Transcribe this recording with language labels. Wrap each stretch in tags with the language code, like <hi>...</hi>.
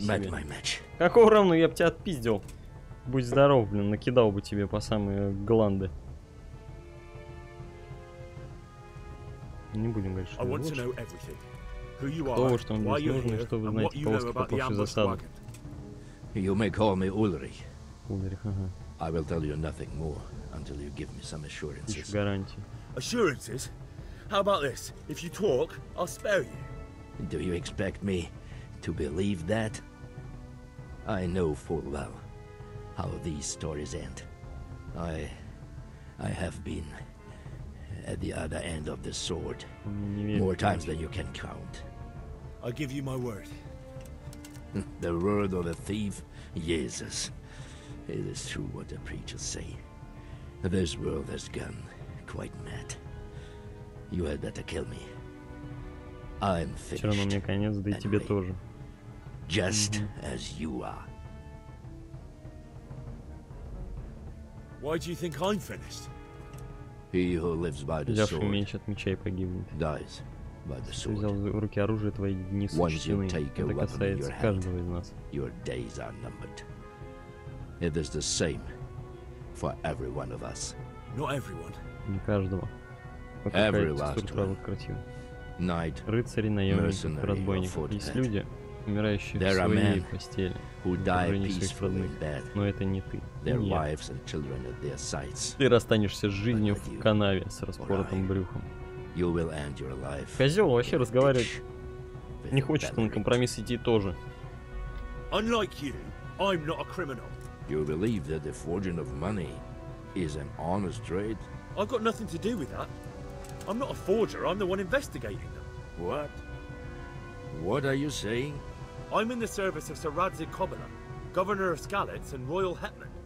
<en>met my match.</en> <ru>Какого равного? Я бы тебя отпиздил. Будь здоров, блин, накидал бы тебе по самые гланды. Не будем говорить, что ты лучше. Кто вы, что вам здесь нужно, и что вы знаете по поводу засады.</ru> <en>You may call me Ulrich.</en> <ru>Ulrich, ага.</ru> <en>I will tell you nothing more until you give me some assurances.</en> <ru>Гарантии.</ru> <en>Assurances? How about this? If you talk, I'll spare you. Do you expect me to believe that? I know full well how these stories end. I have been at the other end of the sword more times than you can count. I give you my word. The word of a thief? Jesus. It is true what the preachers say. This world has gone quite mad. You had better kill me. I'm finished.</en> <ru>Все равно мне конец, да и тебе тоже.</ru> <en>Just as you are. Why do you think I'm finished? He who lives by the sword.</en> <ru>Взяв меч от меча и погибнет.</ru> <en>Dies by the sword.</en> <ru>Взял в руки оружие твои дни сочтены. Это касается каждого из нас.</ru> <en>Your days are numbered. It is the same for every one of us. Not everyone.</en> <ru>Не каждого.</ru> <en>Every last one. Knight.</en> <ru>Рыцари, наемники, разбойники. Есть люди, умирающие в своей постели.</ru> <en>Who die peacefully in bed.</en> <ru>Но это не ты.</ru> <en>Their wives and children at their sides.</en> <ru>Ты расстанешься с жизнью в канаве с распоротым брюхом.</ru> <en>You will end your life.</en> <ru>Козел вообще разговаривать не хочет, он на компромисс идти тоже.</ru> <en>Unlike you, I'm not a criminal. You believe that the forging of money is an honest trade? I've got nothing to do with that. I'm not a forger, I'm the one investigating them. What? What are you saying? I'm in the service of Sir Radzik Kobola, governor of Skalitz and royal hetman.</en>